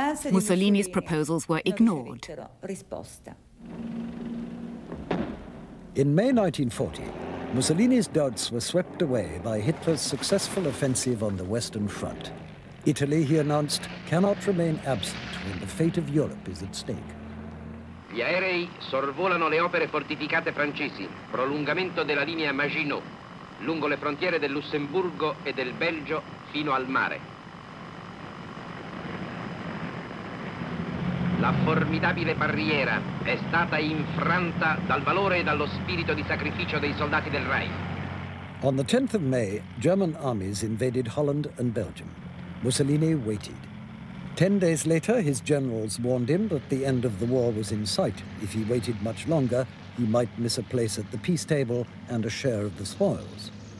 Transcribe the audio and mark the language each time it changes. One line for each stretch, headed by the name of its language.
English: Mussolini's proposals were ignored. In May 1940, Mussolini's doubts were swept away by Hitler's successful offensive on the Western Front. Italy, he announced, cannot remain absent when the fate of Europe is at stake.
Italian: Gli aerei sorvolano le opere fortificate francesi, prolungamento della linea Maginot, lungo le frontiere del Lussemburgo e del Belgio fino al mare. La formidabile barriera è stata infranta dal valore e dallo spirito di sacrificio dei soldati del Reich.
English: On the 10th of May, German armies invaded Holland and Belgium. Mussolini waited. 10 days later, his generals warned him that the end of the war was in sight. If he waited much longer, he might miss a place at the peace table and a share of the spoils.